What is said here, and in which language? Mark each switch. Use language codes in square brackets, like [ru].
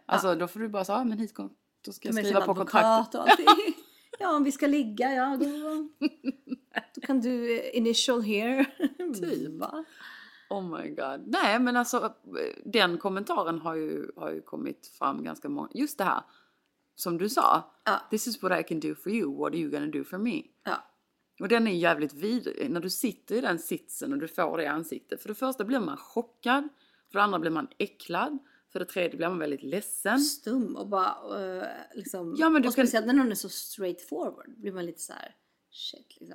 [sv] Alltså, ja. Då får du bara säga, men hit kom, då ska jag skriva på kontrakt. Ja, om vi ska ligga, ja då... Då kan du [en] initial here. [sv] Typ. [en] Oh my god. [sv] Nej, men alltså, den kommentaren har ju kommit fram ganska många. Just det här, som du sa. Ja. [en] This is what I can do for you. What are you gonna do for me? [sv] Ja. Och den är jävligt vidrig. När du sitter i den sitsen och du får det i ansiktet. För det första blir man chockad. För det andra blir man äcklad. För det tredje blir man väldigt ledsen. Stum och bara, liksom. Ja, men och speciellt när någon är så straightforward. Blir man lite så här. Shit, liksom.